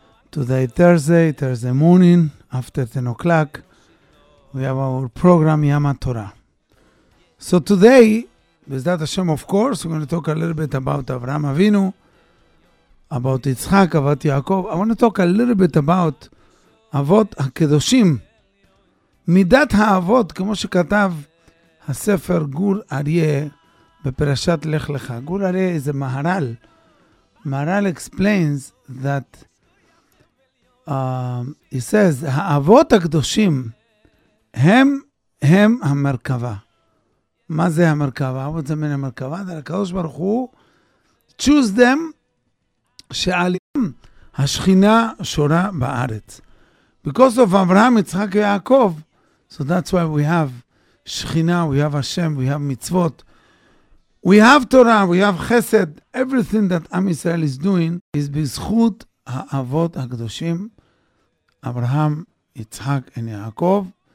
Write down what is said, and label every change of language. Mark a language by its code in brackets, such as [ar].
[en] Today, Thursday morning, after 10 o'clock, we have our program Yama Torah. So today, Bezdat Hashem, of course, we're going to talk a little bit about Avraham Avinu, about Yitzhak, about Yaakov. I want to talk a little bit about Avot HaKedoshim. [he] Midat HaAvot, כמו שכתב הספר גור אריה, בפרשת לך לך. [en] גור אריה is a Maharal. Maharal explains that he says, [he] האבות הקדושים הם המרכבה. מה זה המרכבה? האבות זה מן המרכבה? זה הקדוש ברוך הוא, [en] choose them [he] שעליהם השכינה שורה בארץ. [en] Because of Abraham, יצחק ויעקב, so that's why we have שכינה, we have Hashem, we have מצוות. We have Torah, we have Chesed. Everything that Am Yisrael is doing is [he] בזכות האבות הקדושים, [en] Abraham, Yitzhak, and Yaakov.